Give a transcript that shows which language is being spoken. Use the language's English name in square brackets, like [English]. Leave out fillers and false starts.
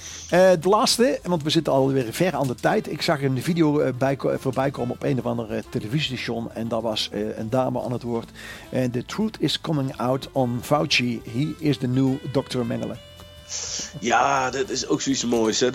[Dutch] De laatste, want we zitten alweer ver aan de tijd. Ik zag een video voorbij komen op een of andere televisiestation. En daar was een dame aan het woord. [English] The truth is coming out on Fauci. He is the new Dr. Mengele. [Dutch] Ja, dat is ook zoiets moois. Hè?